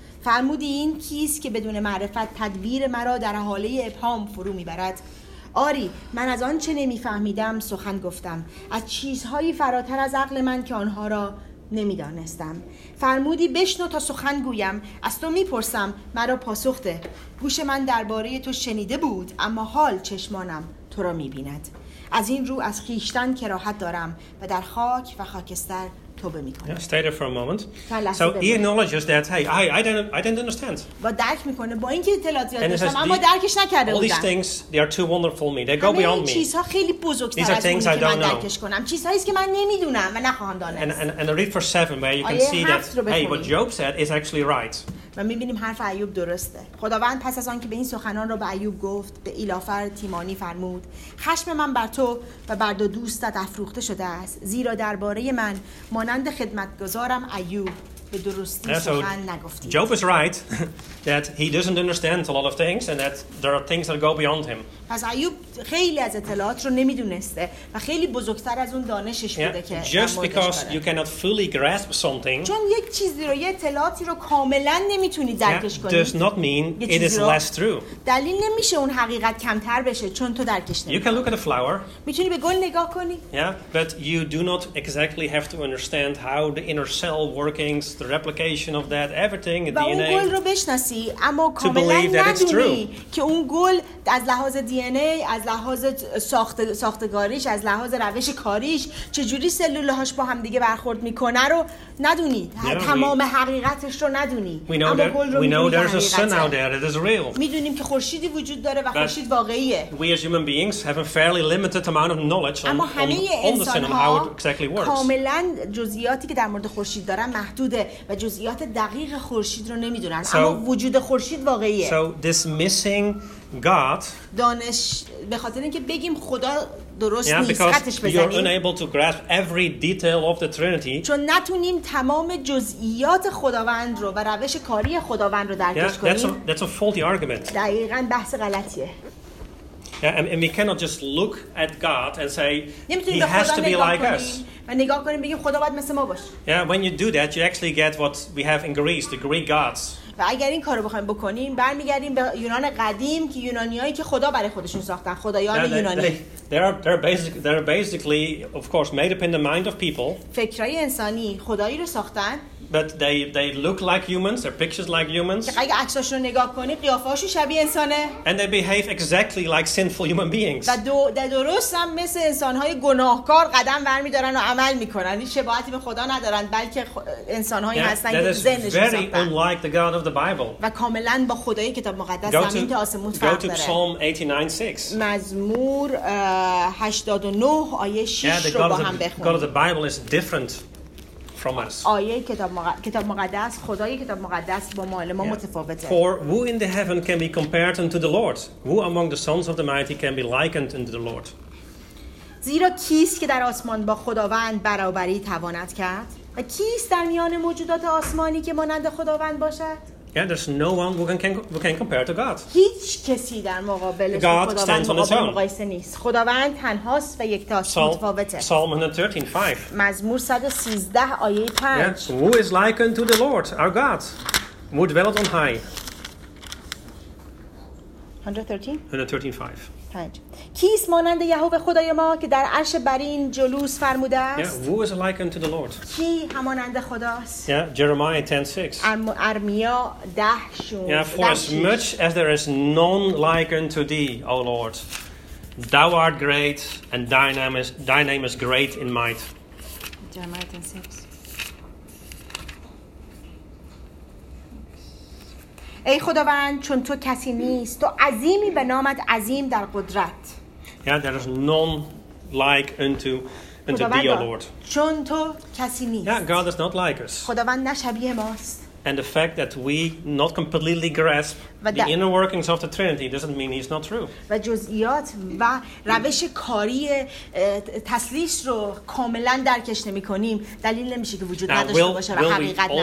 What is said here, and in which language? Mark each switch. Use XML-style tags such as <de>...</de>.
<fa>فرمودی این کیست که بدون معرفت تدبیر مرا در حاله ابهام فرو میبرد؟ آری، من از آن چه نمیفهمیدم سخن گفتم، از چیزهایی فراتر از عقل من که آنها را نمیدانستم. فرمودی بشنو تا سخن گویم، از تو میپرسم مرا پاسخ ده. گوش من درباره تو شنیده بود، اما حال چشمانم تو را میبیند. از این رو از خیشتن کراهت دارم و در خاک و خاکستر توبه میکنم.</fa> <en>Yeah, stay there for a moment. So he acknowledges that, hey, I didn't understand.</en> <fa>و درک میکنه با اینکه اطلاعات زیاد داشتم اما درکش نکرده بودم.</fa> <en>All these things, they are too wonderful for me. They go beyond me.</en> <fa>چیزها خیلی بزرگتر از اونی که من درکش کنم. چیزهایی است که من نمیدونم و نخواهم دانست.</fa> <en>And read for 7 where you can see that, hey, what Job said is actually right.</en> <fa>و میبینیم حرف ایوب درسته. خداوند پس از آنکه به این سخنان را به ایوب گفت، به ایلافر تیمانی فرمود: خشم من بر تو و بر دو دوستت افروخته شده است، زیرا درباره من مانند خدمتگزارم ایوب به درستی سخن نگفتید.</fa> <en>Job is right that he doesn't understand a lot of things and that there are things that go beyond him.</en> <fa>پس ایوب خیلی از اطلاعات رو نمیدونسته و خیلی بزرگتر از اون دانشش بوده که</fa> <en>Just because you cannot fully grasp something.</en> <fa>چون یک چیزی رو یه اطلاعاتی رو کاملا نمیتونی درکش کنی.</fa> <en>Does not mean it is less true.</en> <fa>دلیل نمیشه اون حقیقت کمتر بشه چون تو درکش نمیکنی.</fa> <en>You can look at a flower.</en> <fa>میتونی به گل نگاه کنی.</fa> <en>Yeah, but you do not exactly have to understand how the inner cell workings, the replication of that, everything, the DNA.</en> <fa>اون گل رو بشناسی اما کاملا ندونی که اون گل از لحاظ DNA از لحاظ ساختگاریش از لحاظ روش کاریش چجوری سلولهاش با هم دیگه برخورد میکنه رو ندونی تمام حقیقتش رو ندونی اما گل رو میدونی میدونیم که خورشیدی وجود داره و خورشید واقعیه</fa> <en>we as human beings have a fairly limited amount of knowledge on,</en> <fa>اما همه انسان ها</fa> <en>exactly</en> <fa>کاملا جزئیاتی که در مورد خورشید دارن محدوده و جزئیات دقیق خورشید رو نمیدونن</fa> <en>so,</en> <fa>اما وجود خورشید واقعیه</fa> <en>so this missing God</en> <fa>دانش به خاطر اینکه بگیم خدا درست</fa> <en>yeah,</en> <fa>نیست خطش بزنیم</fa> <en>you're unable to grasp every detail of the Trinity</en> <fa>چون نتونیم تمام جزئیات خداوند رو و روش کاری خداوند رو درکش</fa> <en>yeah,</en> <fa>کنیم</fa> <en>that's a faulty argument</en> <fa>دقیقاً بحث غلطیه</fa> <en>yeah, and we cannot just look at God and say he has to be like us</en> <fa>و نگاه کنیم بگیم خدا باید مثل ما باشه</fa> <en>yeah when you do that you actually get what we have in Greece the Greek gods</en> <fa>و اگر این کارو بخوایم بکنیم برمیگردیم به یونان قدیم که یونانیایی که خدا برای خودشون ساختن خدایان</fa> <en>yeah,</en> <fa>یونانی</fa> <en>they are basically of course made up in the mind of people</en> <fa>فکرای انسانی خدایی رو ساختن</fa> <en>but they look like humans their pictures like humans</en> <fa>که اگه عکساشون نگاه کنی قیافه‌هاشون شبیه انسانه</fa> <en>and they behave exactly like sinful human beings</en> <fa>درست هم مثل انسان‌های گناهکار قدم برمی‌دارن و عمل می‌کنن این شباهتی به خدا ندارن بلکه انسان‌هایی هستن که ذهنشون ساختن</fa> <en>very unlike the God of the Bible</en> <fa>و کاملاً با خدای کتاب مقدس زمین تا آسمون فرق داره</fa> <en>go to Psalm 89:6</en> <fa>مزمور 89 آیه 6 رو با هم بخون</fa> <en>God of the Bible is different</en> <fa>آیه کتاب مقدس خدای کتاب مقدس با مال ما متفاوته.</fa> <en>For who in the heaven can be compared unto the Lord? Who among the sons of the mighty can be likened unto the Lord?</en> <fa>زیرا کیست که در آسمان با خداوند برابری تواند کرد؟ و کیست در میان موجودات آسمانی که مانند خداوند باشد؟</fa> <en>Yeah, there's no one who can compare to God.</en> <fa>هیچ کسی در مقابلش</fa> <en>God stands on his own.</en> <fa>مقایسه نیست. خداوند تنهاست و یکتاست. متفاوته.</fa> <en>Psalm 113:5.</en> <fa>مزمور 113 آیه 5.</fa> <en>Yeah. Who is like unto the Lord, our God, who dwelleth on high? 113:5.</en> <fa>کیست مانند یهوه خدای ما که در عرش برین جلوس فرموده است؟</fa> <en>Yeah, who is like unto the Lord?</en> <fa>کی همانند خداست؟</fa> <en>Yeah, Jeremiah 10:6.</en> <fa>ارمیا 10:6.</fa> <en>Yeah, for as much as there is none like unto thee, O Lord, thou art great and thy name is great in might. Jeremiah 10:6.</en> <fa>ای خداوند چون تو کسی نیست تو عظیمی به نامت عظیم در قدرت</fa> <en>yeah there is none like unto thee O Lord</en> <fa>چون تو کسی نیست</fa> <en>yeah God is not like us</en> <fa>خداوند نشبیه ماست</fa> <en>and the fact that we not completely grasp the inner workings of the Trinity doesn't mean he's not true</en> <fa>و جزئیات و روش کاری تثلیث رو کاملا درکش نمی کنیم دلیل نمیشه که وجود نداشته باشه و حقیقت نباشه</fa>